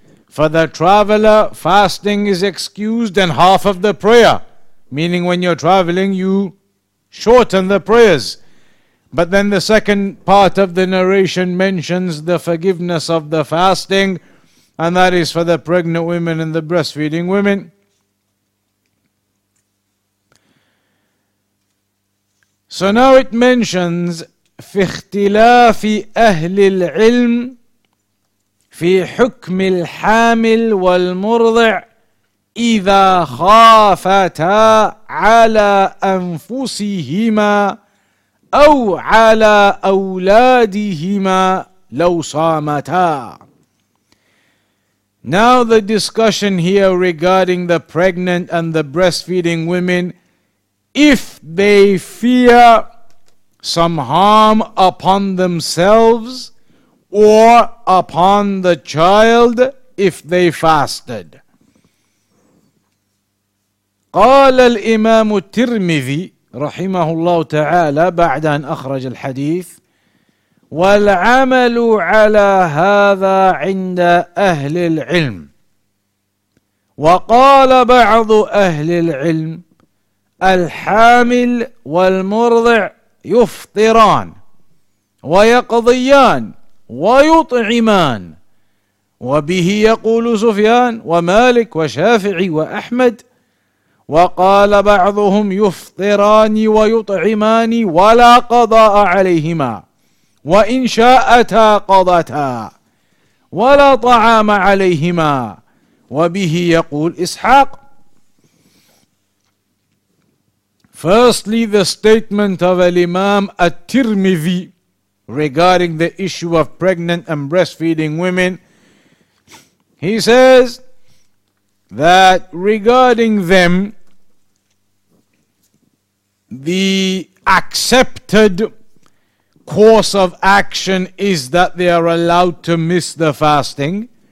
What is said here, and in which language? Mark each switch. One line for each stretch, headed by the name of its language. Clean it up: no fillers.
English: For the traveler, fasting is excused and half of the prayer, meaning when you're traveling, you shorten the prayers. But then the second part of the narration mentions the forgiveness of the fasting, and that is for the pregnant women and the breastfeeding women.
Arabic: So now it mentions, في اختلاف أهل العلم في حكم الحامل والمرضع إذا خافتا على أنفسهما أو على أولادهما لو صامتا.
English: Now the discussion here regarding the pregnant and the breastfeeding women, if they fear some harm upon themselves or upon the child if they fasted.
Arabic: قال الإمام الترمذي رحمه الله تعالى بعد أن أخرج الحديث والعمل على هذا عند أهل العلم وقال بعض أهل العلم الحامل والمرضع يفطران ويقضيان ويطعمان وبه يقول سفيان ومالك وشافعي وأحمد وقال بعضهم يفطران ويطعمان ولا قضاء عليهما وإن شاءتا قضتا ولا طعام عليهما وبه يقول إسحاق.
English: Firstly, the statement of Al-Imam At-Tirmidhi regarding the issue of pregnant and breastfeeding women, he says that regarding them, the accepted course of action is that they are allowed to miss the fasting.